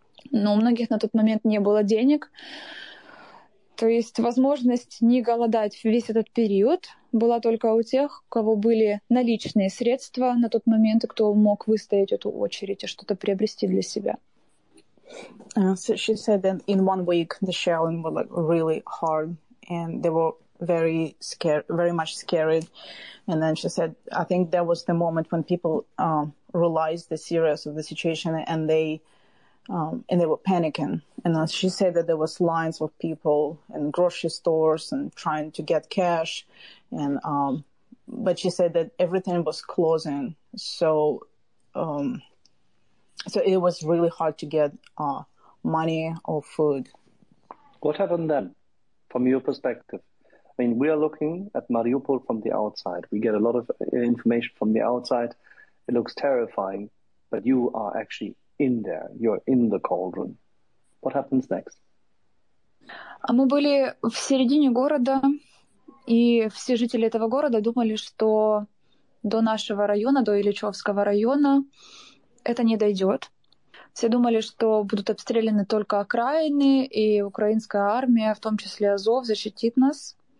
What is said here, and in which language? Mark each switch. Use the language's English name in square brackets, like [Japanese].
[Russian] Но у многих на тот момент не было денег. То есть возможность не голодать весь этот период была только у тех, у кого были наличные средства на тот момент, и кто мог выстоять эту очередь и что-то приобрести для себя. [English] So she said that in 1 week the shelling was like really hard, and they were very scared, very much scared. And then she said, I think that was the moment when people realized the seriousness of the situation, and they were panicking. And she said that there was lines of people in grocery stores and trying to get cash. And but she said that everything was closing, so it was really hard to get money or food. What happened then, from your perspective? I mean, we are looking at Mariupol from the outside. We get a lot of information from the outside. It looks terrifying, but you are actually in there. You're in the cauldron. What happens next? [Russian] Мы были в середине города, и все жители этого города думали, что до нашего района, до Ильичевского района, это не дойдет. Все думали, что будут обстреляны только окраины, и украинская армия, в том числе Азов, защитит нас.